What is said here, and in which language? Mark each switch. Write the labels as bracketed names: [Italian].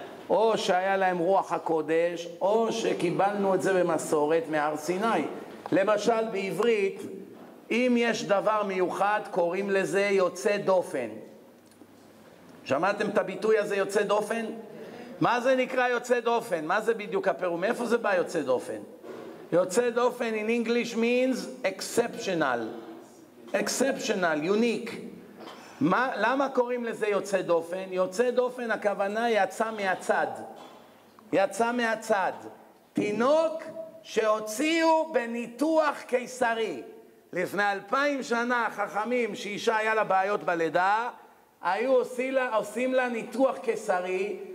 [Hebrew] או שהיה להם רוח הקודש, או שקיבלנו את זה במסורת מהר סיני. למשל בעברית, אם יש דבר מיוחד, קוראים לזה יוצא דופן. שמעתם את הביטוי הזה, יוצא דופן? מה זה נקרא יוצא דופן? מה זה בדיוק הפירום? מאיפה זה בא יוצא דופן? [English] יוצא דופן in English means exceptional. Exceptional, unique. [Hebrew] מה, למה קוראים לזה יוצא דופן? יוצא דופן, הכוונה יצא מהצד. יצא מהצד. תינוק שהוציאו בניתוח קיסרי. לפני 2000 שנה, החכמים, שאישה היה לה בעיות בלידה, היו עושים לה ניתוח קיסרי.